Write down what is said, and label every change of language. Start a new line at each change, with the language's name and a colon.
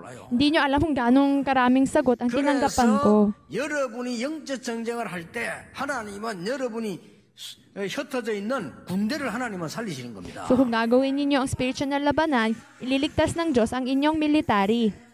Filipino: Hindi nyo alam kung gano'ng karaming sagot ang tinanggapan ko.
Korean: 여러분이 영적 전쟁을 할 때 하나님은 여러분이 흩어져 있는 군대를 하나님은 살리시는 겁니다.
Filipino: So, kung gagawin ninyo ang spiritual na labanan, ililigtas ng Diyos ang inyong military.